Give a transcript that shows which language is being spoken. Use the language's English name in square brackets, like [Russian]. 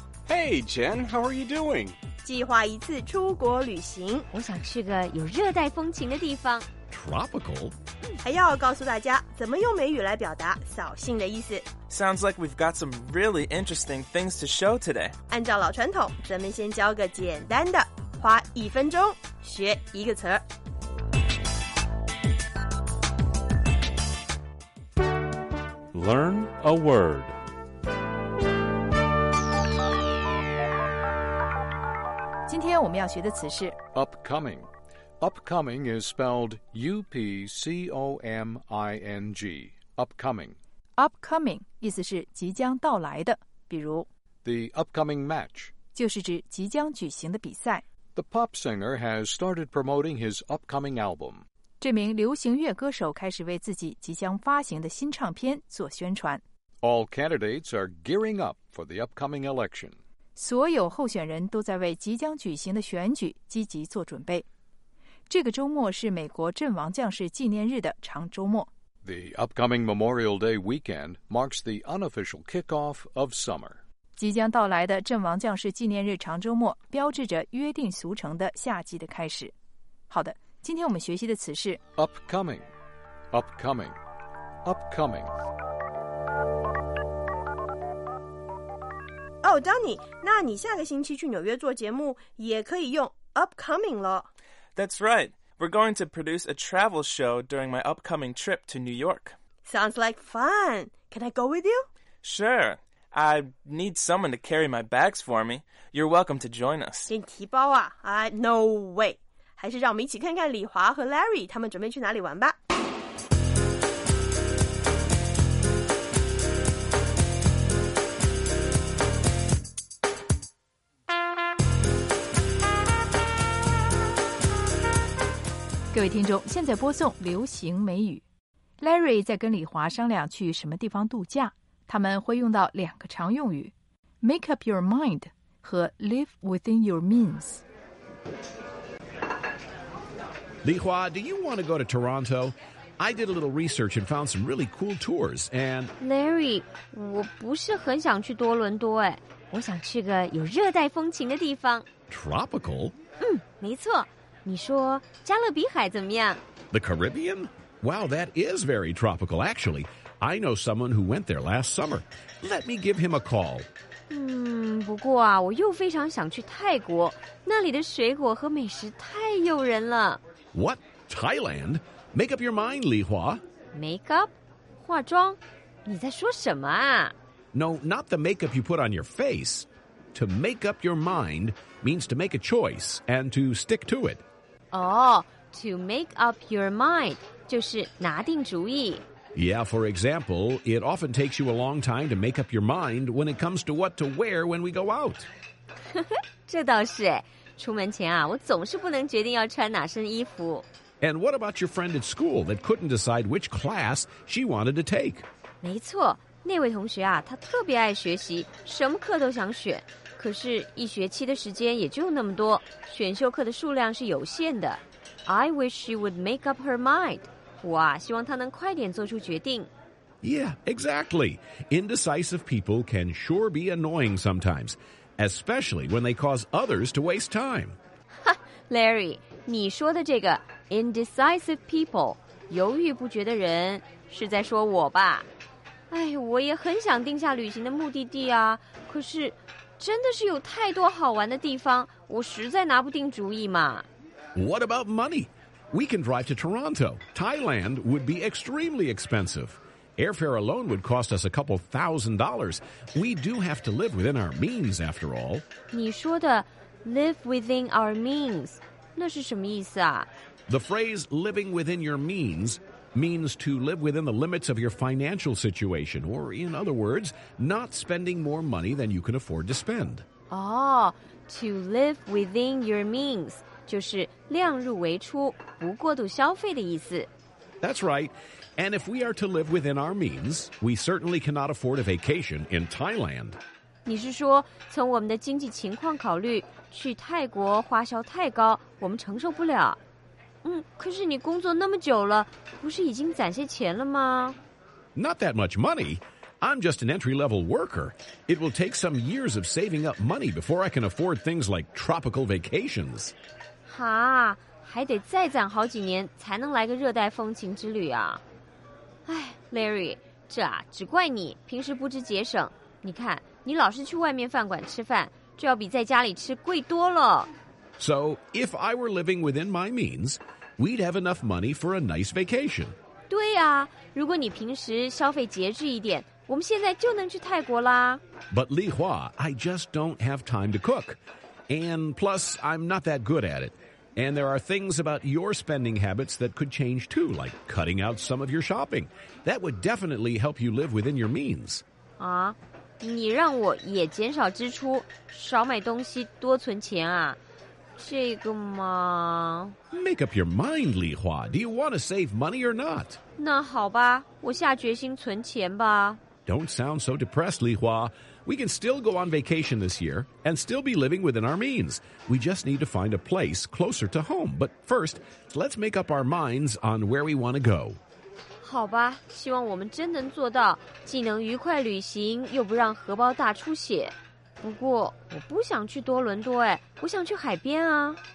[English] Hey, Jen, how are you doing? [Chinese] 计划一次出国旅行。我想去个有热带风情的地方。 [English] Tropical? [Chinese] 还要告诉大家怎么用美语来表达扫兴的意思。 [English] Sounds like we've got some really interesting things to show today. [Chinese] 按照老传统，咱们先教个简单的，花一分钟学一个词儿。 [English] Learn a word. Today we're going to learn the word upcoming. Upcoming is spelled U-P-C-O-M-I-N-G. Upcoming. [Chinese] Upcoming 意思是即将到来的，比如 [English] The upcoming match [Chinese] 就是指即将举行的比赛。 [English] The pop singer has started promoting his upcoming album. [Chinese] 这名流行乐歌手开始为自己即将发行的新唱片做宣传。 [English] All candidates are gearing up for the upcoming election. [Chinese] 所有候选人都在为即将举行的选举积极做准备。这个周末是美国阵亡将士纪念日的长周末。 [English] The upcoming Memorial Day weekend marks the unofficial kickoff of summer. [Chinese] 即将到来的阵亡将士纪念日长周末标志着约定俗成的夏季的开始。好的。今天我们学习的词是 [English] upcoming, upcoming, upcoming. [Chinese] Oh, Donnie, 那你下个星期去纽约做节目也可以用 upcoming 了。 [English] That's right. We're going to produce a travel show during my upcoming trip to New York. Sounds like fun. Can I go with you? Sure. I need someone to carry my bags for me. You're welcome to join us. [Chinese] 先提包啊 [English] no way. [Chinese] 还是让我们一起看看李华和 Larry 他们准备去哪里玩吧。各位听众，现在播送流行美语。Larry 在跟李华商量去什么地方度假，他们会用到两个常用语 [English] Make up your mind [Chinese] 和 [English] Live within your means。李华, do you want to go to Toronto? I did a little research and found some really cool tours, and... [Chinese] Larry, 我不是很想去多伦多哎，我想去个有热带风情的地方。 [English] Tropical? [Chinese] 嗯，没错。你说加勒比海怎么样? [English] The Caribbean? Wow, that is very tropical, actually. I know someone who went there last summer. Let me give him a call. [Chinese] 不过啊，我又非常想去泰国，那里的水果和美食太诱人了。 [English] What? Thailand? Make up your mind, Li Hua. [Chinese] Make up? 化妆？你在说什么啊 [English] ？No, not the makeup you put on your face. To make up your mind means to make a choice and to stick to it. Oh, to make up your mind [Chinese] 就是拿定主意。 [English] Yeah, for example, it often takes you a long time to make up your mind when it comes to what to wear when we go out. [Chinese] 这倒是哎，出门前啊，我总是不能决定要穿哪身衣服。 [English] And what about your friend at school that couldn't decide which class she wanted to take? [Chinese] 没错，那位同学啊，他特别爱学习，什么课都想选，可是一学期的时间也就那么多，选修课的数量是有限的。 [English] I wish she would make up her mind. [Chinese] 我希望他能快点做出决定。 [English] Yeah, exactly. Indecisive people can sure be annoying sometimes, especially when they cause others to waste time. [Chinese] Ha, Larry, 你说的这个 [English] indecisive people, [Chinese] 犹豫不决的人是在说我吧？哎，我也很想定下旅行的目的地啊，可是真的是有太多好玩的地方，我实在拿不定主意嘛。 [English] What about money? We can drive to Toronto. Thailand would be extremely expensive. Airfare alone would cost us a couple thousand dollars. We do have to live within our means, after all. [Chinese] 你说的 [English] live within our means, [Chinese] 那是什么意思啊? [English] The phrase living within your means means to live within the limits of your financial situation, or in other words, not spending more money than you can afford to spend. Oh, To live within your means [Chinese] 就是量入为出，不过度消费的意思。 [English] That's right. And if we are to live within our means, we certainly cannot afford a vacation in Thailand. [Chinese] 你是说从我们的经济情况考虑，去泰国花销太高，我们承受不了。可是你工作那么久了，不是已经攒些钱了吗？ [English] Not that much money. I'm just an entry-level worker. It will take some years of saving up money before I can afford things like tropical vacations. [Chinese] 哈，还得再攒好几年才能来个热带风情之旅啊。哎 ,Larry, 这啊只怪你平时不知节省。你看你老是去外面饭馆吃饭，就要比在家里吃贵多了。 [English] So, if I were living within my means, we'd have enough money for a nice vacation. [Chinese] 对啊，如果你平时消费节制一点，我们现在就能去泰国啦。 [English] But Li Hua, I just don't have time to cook. And plus, I'm not that good at it. And there are things about your spending habits that could change too, like cutting out some of your shopping. That would definitely help you live within your means. [Chinese] 啊，你让我也减少支出，少买东西，多存钱啊。这个吗 [English] Make up your mind, Li Hua. Do you want to save money or not? [Chinese] 那好吧，我下决心存钱吧。 [English] Don't sound so depressed, Li Hua. We can still go on vacation this year and still be living within our means. We just need to find a place closer to home. But first, let's make up our minds on where we want to go. [Chinese] 好吧，希望我们真能做到，既能愉快旅行，又不让荷包大出血。不过我不想去多伦多哎，我想去海边啊。